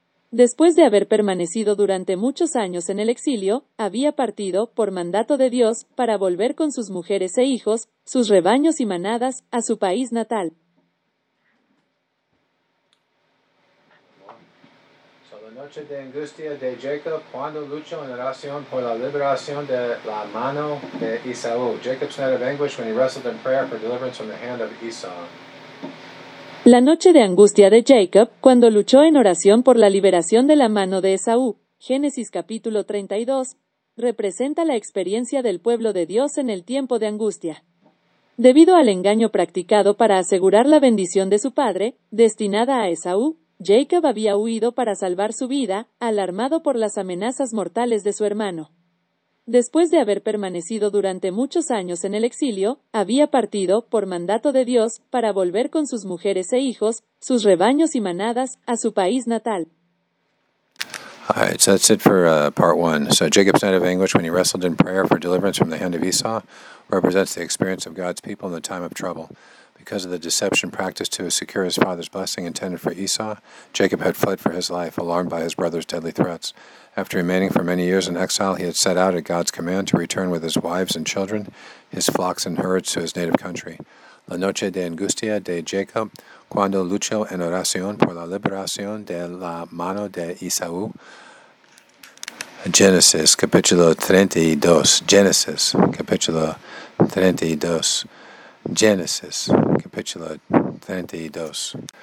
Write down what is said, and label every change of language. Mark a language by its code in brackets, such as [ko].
[es] Después de haber permanecido durante muchos años en el exilio, había partido, por mandato de Dios, para volver con sus mujeres e hijos, sus rebaños y manadas, a su país natal. Noche de angustia de Jacob cuando luchó en oración por la liberación de la mano de Esaú. [en] Jacob's night of anguish when he wrestled in prayer for deliverance from the hand of Esau. [es] La noche de angustia de Jacob cuando luchó en oración por la liberación de la mano de Esaú. Génesis capítulo 32 representa la experiencia del pueblo de Dios en el tiempo de angustia. Debido al engaño practicado para asegurar la bendición de su padre, destinada a Esaú, Jacob había huido para salvar su vida, alarmado por las amenazas mortales de su hermano. Después de haber permanecido durante muchos años en el exilio, había partido, por mandato de Dios, para volver con sus mujeres e hijos, sus rebaños y manadas, a su país natal. [en] All right, so that's it for part one. So Jacob's night of anguish when he wrestled in prayer for deliverance from the hand of Esau represents the experience of God's people in the time of trouble. Because of the deception practiced to secure his father's blessing intended for Esau, Jacob had fled for his life, alarmed by his brother's deadly threats. After remaining for many years in exile, he had set out at God's command to return with his wives and children, his flocks and herds to his native country. [es] La noche de angustia de Jacob, cuando luchó en oración por la liberación de la mano de Esaú. Genesis, capítulo 32. Genesis, capítulo 32. Genesis, capítulo 32.